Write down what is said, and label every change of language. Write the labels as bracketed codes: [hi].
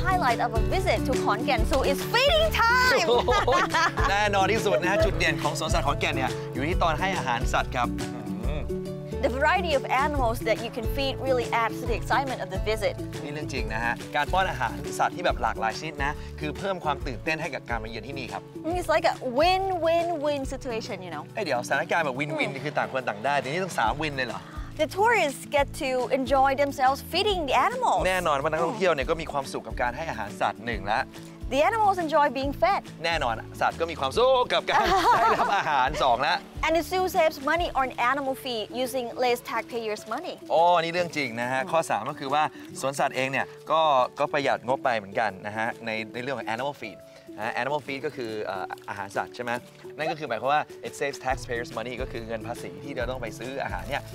[en] Of a visit to Khon Kaen Zoo is feeding time. [th] แน่นอนที่สุดนะจุดเด่นของสวนสัตว์ขอนแก่นเนี่ยอยู่ที่ตอนให้อาหารสัตว์ครับ [en] The variety of animals that you can feed really adds to the excitement of the visit. [th] นี่เรื่องจริงนะฮะการป้อนอาหารสัตว์ที่แบบหลากหลายชนิดนะคือเพิ่มความตื่นเต้นให้กับการมาเยือนที่นี่ครับ [en] It's like a win-win-win situation, you know. [th] เดี๋ยวสถานการณ์แบบ win-win คือต่างคนต่างได้ทีนี้ต้อง3 win เลยเหรอ [en] The tourists get to enjoy themselves feeding the animals. [th] แน่นอนว่านักท่องเที่ยวเนี่ยก็มีความสุขกับการให้อาหารสัตว์หนึ่งละ [en] The animals enjoy being fed. [th] แน่นอนสัตว์ก็มีความสุขกับการได้รับอาหารสองละ [en] And the zoo saves money on animal feed using less taxpayers' money. [th] โอ้นี่เรื่องจริงนะฮะข้อ3ก็คือว่าสวนสัตว์เองเนี่ยก็ประหยัดงบไปเหมือนกันนะฮะในเรื่องของ animal feed. Animal feed ก็คืออาหารสัตว์ใช่ไหมนั่นก็คือหมายความว่า [en] it saves taxpayers money [th] ก็คือเงินภาษีที่เราต้องไปซื้ออาหารเนี่ย